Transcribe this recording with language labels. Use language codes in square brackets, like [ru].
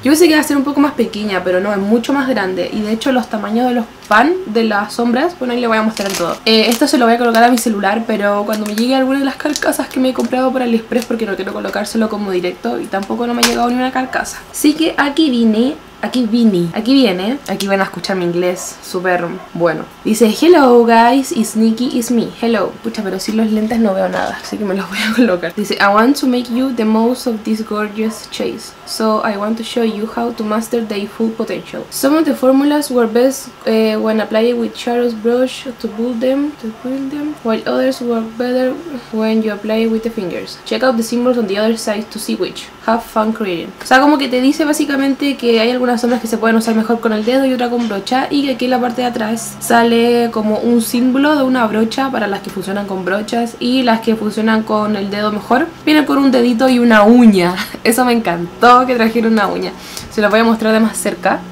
[es] Yo pensé que iba a ser un poco más pequeña, pero no, es mucho más grande. Y de hecho los tamaños de los pan de las sombras, bueno, ahí le voy a mostrar todo. Esto se lo voy a colocar a mi celular, pero cuando me llegue alguna de las carcasas que me he comprado por AliExpress, porque no quiero colocárselo como directo, y tampoco no me ha llegado ni una carcasa. Así que aquí vine, aquí van a escuchar mi inglés súper bueno. Dice, [en] hello guys, it's Nikki, it's me, hello. [es] Pucha, pero sin los lentes no veo nada, así que me los voy a colocar. Dice, [en] I want to make you the most of this gorgeous chase, so I want to show you how to master their full potential. Some of the formulas were best when applied with Charles brush to build them, while others work better when you apply it with the fingers. Check out the symbols on the other side to see which. Have fun creating. [es] O sea, como que te dice básicamente que hay algunas sombras que se pueden usar mejor con el dedo y otra con brocha, y que aquí en la parte de atrás sale como un símbolo de una brocha para las que funcionan con brochas, y las que funcionan con el dedo mejor vienen con un dedito y una uña. Eso me encantó, que trajeron una uña. Se los voy a mostrar de más cerca.